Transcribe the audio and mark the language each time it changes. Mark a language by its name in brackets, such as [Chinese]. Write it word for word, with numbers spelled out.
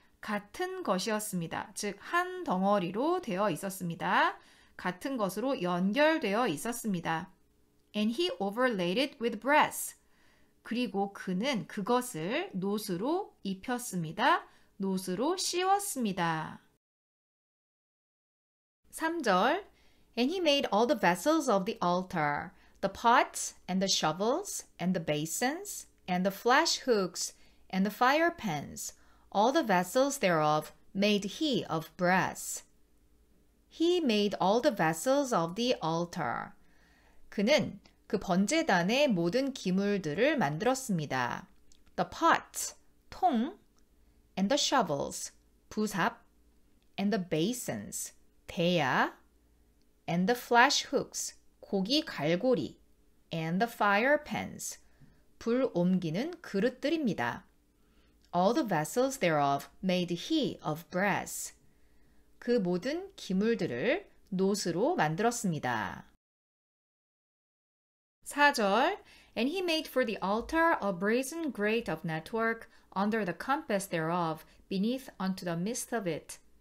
[Korean] 같은 것이었습니다. 즉, 한 덩어리로 되어 있었습니다. 같은 것으로 연결되어 있었습니다. [English] And he overlaid it with brass. [Korean] 그리고 그는 그것을 놋으로 입혔습니다. 놋으로 씌웠습니다. 삼 절 [English] And he made all the vessels of the altar, the pots and the shovels and the basins and the flash hooks and the fire pans. All the vessels thereof made he of brass. He made all the vessels of the altar. [Korean] 그는 그 번제단의 모든 기물들을 만들었습니다. [English] The pot, 통, and the shovels, 부삽, and the basins, 대야, and the flash hooks, [Korean] 고기 갈고리, [English] and the fire pans, [Korean] 불 옮기는 그릇들입니다. [English] All the vessels thereof made he of brass. [Korean] 그 모든 기물들을 놋으로 만들었습니다. 사 절 [English] And he made for the altar a brazen grate of network under the compass thereof, beneath unto the midst of it.